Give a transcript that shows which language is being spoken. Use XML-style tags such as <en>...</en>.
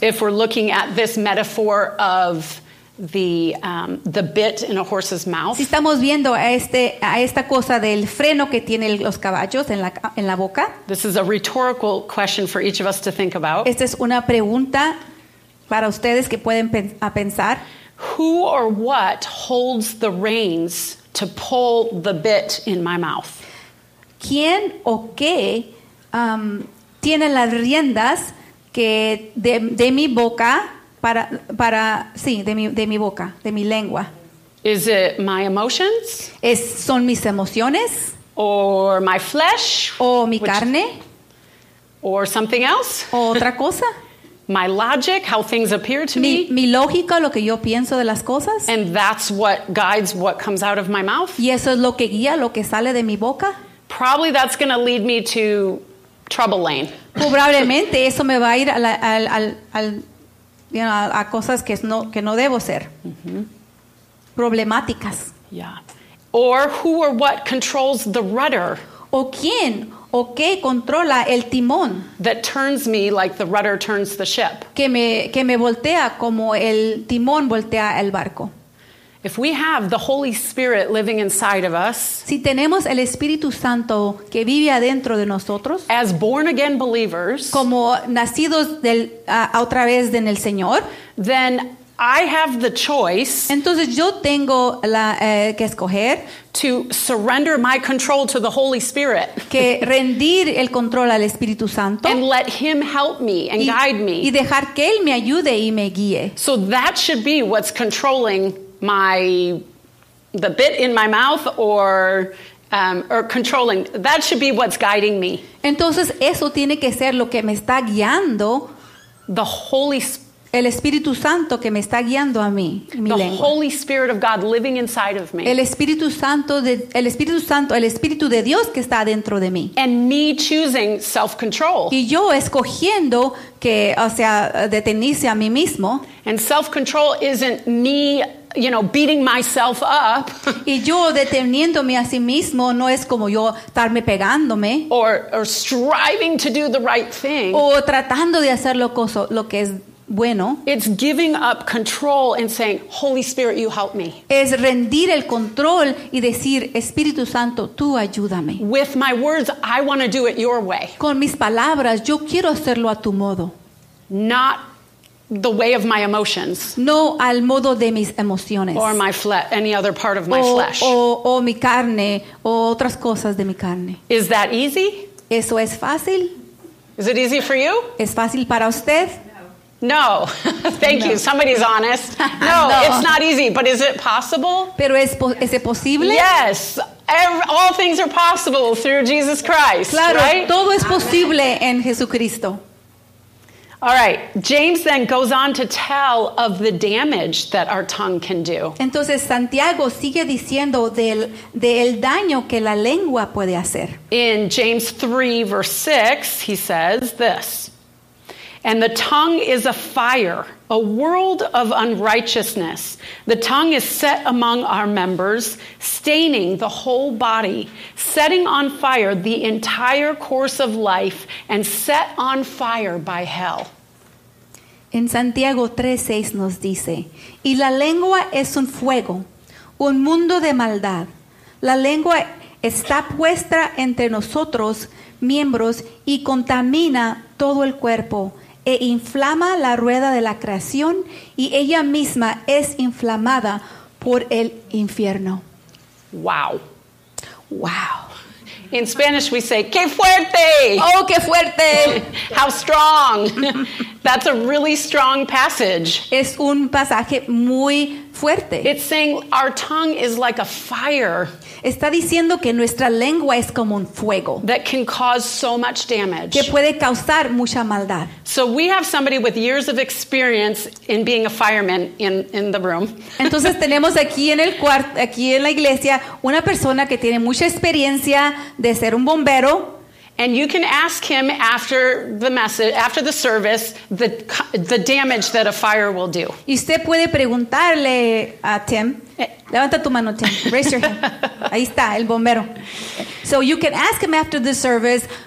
<en>If we're looking at this metaphor of the bit in a horse's mouth.</en> <es>Si estamos viendo a esta cosa del freno que tiene los caballos en la boca.</es> <en>This is a rhetorical question for each of us to think about.</en> <es>Esta es una pregunta para ustedes que pueden pensar.</es> <en>Who or what holds the reins to pull the bit in my mouth?</en> <es>¿Quién o qué tiene las riendas que de mi boca? De mi boca, de mi lengua.</es> <en>Is it my emotions?</en> <es>Son mis emociones.</es> <en>or my flesh,</en> <es>o mi carne,</es> <en>or something else,</en> <es>o otra cosa,</es> <en>my logic, how things appear to me,</en> <es>mi lógica, lo que yo pienso de las cosas,</es> <en>and that's what guides what comes out of my mouth,</en> <es>y eso es lo que guía lo que sale de mi boca.</es> <en>Probably that's going to lead me to trouble lane.</en> <es>Probablemente eso me va a ir a cosas que no debo ser. Mm-hmm. Problemáticas.</es> <en>Yeah. Or who or what controls the rudder?</en> <es>¿O quién o qué controla el timón?</es> <en>That turns me like the rudder turns the ship.</en> <es>Que me voltea como el timón voltea el barco.</es> <en>If we have the Holy Spirit living inside of us,</en> <es>si tenemos el Espíritu Santo que vive adentro de nosotros,</es> <en>as born again believers,</en> <es>como nacidos otra vez en el Señor,</es> <en>then I have the choice.</en> <es>Entonces yo tengo la que escoger</es> <en>to surrender my control to the Holy Spirit.</en> <es>Que rendir el control al Espíritu Santo.</es> <en>And let him help me and guide me.</en> <es>Y dejar que él me ayude y me guíe.</es> <en>So that should be what's controlling the bit in my mouth or controlling. That should be what's guiding me.</en> <es>Entonces eso tiene que ser lo que me está guiando.</es> <en>The Holy Spirit.</en> <es>El Espíritu Santo que me está guiando a mí, mi</es> <en>the</en> <es>lengua.</es> <en>Holy Spirit of God living inside of me.</en> <es>El Espíritu de Dios que está dentro de mí.</es> <en>And me choosing self-control.</en> <es>Y yo escogiendo que, o sea, detenerse a mí mismo.</es> <en>And self-control isn't me, you know, beating myself up.</en> <es>Y yo deteniéndome a sí mismo no es como yo estarme pegándome.</es> <en>Or striving to do the right thing.</en> <es>O tratando de hacer lo que es bueno,</es> <en>it's giving up control and saying, Holy Spirit, you help me.</en> <es>Es rendir el control y decir, Espíritu Santo, tú ayúdame.</es> <en>With my words, I want to do it your way.</en> <es>Con mis palabras, yo quiero hacerlo a tu modo.</es> <en>Not the way of my emotions.</en> <es>No al modo de mis emociones.</es> <en>Or my flesh, any other part of my flesh.</en> <es>O mi carne, o otras cosas de mi carne.</es> <en>Is that easy?</en> <es>¿Eso es fácil?</es> <en>Is it easy for you?</en> <es>¿Es fácil para usted?</es> <en>No, thank you. Somebody's honest. No, it's not easy, but is it possible?</en> <es>Pero es posible?</es> <en>Yes, all things are possible through Jesus Christ.</en> <es>Claro,</es> <en>right?</en> <es>Todo es posible en Jesucristo.</es> <en>All right, James then goes on to tell of the damage that our tongue can do.</en> <es>Entonces Santiago sigue diciendo del daño que la lengua puede hacer.</es> <en>In James 3, verse 6, he says this. And the tongue is a fire, a world of unrighteousness. The tongue is set among our members, staining the whole body, setting on fire the entire course of life, and set on fire by hell.</en> <es>En Santiago 3:6 nos dice, y la lengua es un fuego, un mundo de maldad. La lengua está puesta entre nosotros, miembros, y contamina todo el cuerpo, e inflama la rueda de la creación y ella misma es inflamada por el infierno.</es> <en>Wow. Wow. In Spanish we say,</en> <es>¡qué fuerte! ¡Oh, qué fuerte!</es> <en>How strong. That's a really strong passage.</en> <es>Es un pasaje muy fuerte.</es> <en>It's saying our tongue is like a fire.</en> <es>Está diciendo que nuestra lengua es como un fuego.</es> <en>That can cause so much damage.</en> <es>Que puede causar mucha maldad.</es> <en>So we have somebody with years of experience in being a fireman in the room.</en> <es>Entonces tenemos aquí en el cuarto, aquí en la iglesia, una persona que tiene mucha experiencia de ser un bombero.</es> <en>And you can ask him after the message, after the service, the damage that a fire will do.</en> <es>Y usted puede preguntarle a Tim. Levanta tu mano, Tim.</es> <en>Raise your hand.</en> <es>Ahí está, el bombero.</es> <en>So you can ask him after the service.</en>